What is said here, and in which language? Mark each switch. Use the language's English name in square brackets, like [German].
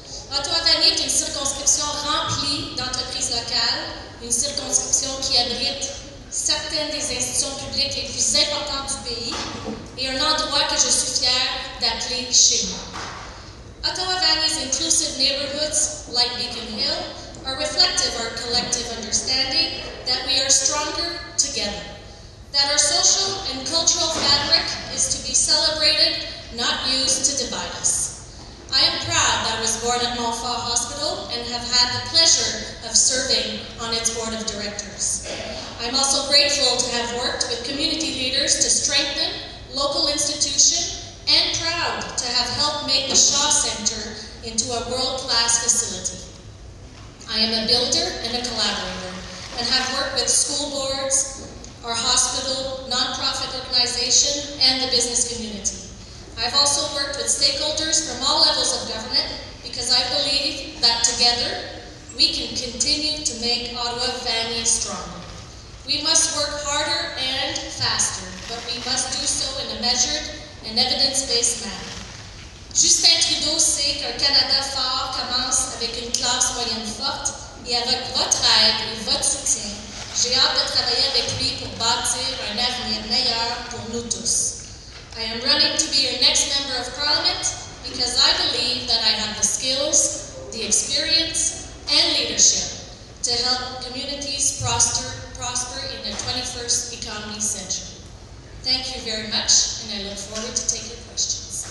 [French] Ottawa Vanier est une circonscription remplie d'entreprises locales, une circonscription qui abrite certaines des institutions publiques les plus importantes du pays et un endroit que je suis fière d'appeler chez moi. [English] Ottawa Vanier's inclusive neighborhoods like Beacon Hill are reflective of our collective understanding that we are stronger together, that our social and cultural fabric is to be celebrated, not used to divide us. I am proud that I was born at Montfort Hospital and have had the pleasure of serving on its board of directors. I'm also grateful to have worked with community leaders to strengthen local institutions and proud to have helped make the Shaw Center into a world-class facility. I am a builder and a collaborator and have worked with school boards, our hospital, nonprofit organization, and the business community. I've also worked with stakeholders from all levels of government because I believe that together we can continue to make Ottawa Vanier stronger. We must work harder and faster, but we must do so in a measured and evidence-based manner. [French] Justin Trudeau sait qu'un Canada fort commence avec une classe moyenne forte et avec votre aide et votre soutien, j'ai hâte de travailler avec lui pour bâtir un avenir meilleur pour nous tous. [English] I am running to be your next member of Parliament because I believe that I have the skills, the experience, and leadership to help communities prosper in the 21st economy century. Thank you very much, and I look forward to taking questions.